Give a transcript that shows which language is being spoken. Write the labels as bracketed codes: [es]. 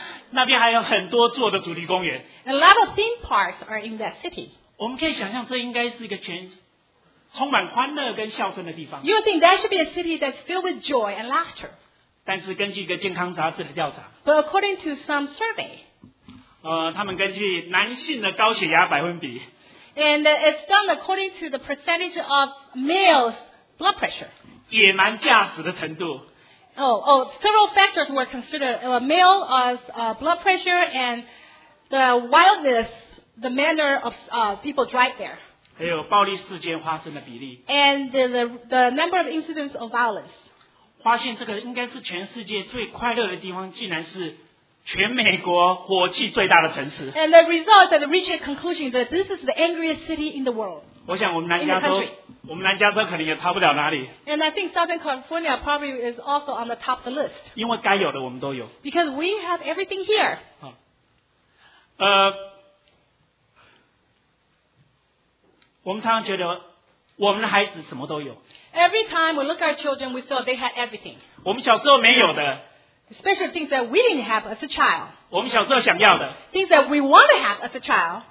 [zh] 那边还有很多座的主题公园。 [en] A lot of theme parks are in that city. [zh] 我们可以想象，这应该是一个全充满欢乐跟笑声的地方。 [en] You think that should be a city that's filled with joy and laughter? [zh] 但是根据一个健康杂志的调查 [en] But according to some survey, [zh] 他们根据男性的高血压百分比 [en] And it's done according to the percentage of males' blood pressure. [zh] 野蛮驾驶的程度 [en] Several factors were considered. Male blood pressure and the wildness, the manner of people drive there. [zh] 还有暴力事件发生的比例 [en] And the number of incidents of violence. [zh] 发现这个应该是全世界最快乐的地方，竟然是全美国火气最大的城市。 [en] And the result that reached a conclusion that this is the angriest city in the world. [zh] 我想我们南加州，我们南加州可能也差不了哪里。 [en] And I think Southern California probably is also on the top of the list. [zh] 因为该有的我们都有。 [en] Because we have everything here. [zh] 我们常常觉得我们的孩子什么都有。 [en] Every time we look at our children, we saw they had everything. [zh] 我们小时候没有的。 [en] Especially things that we didn't have as a child. [zh] 我们小时候想要的。 [en] Things that we want to have as a child.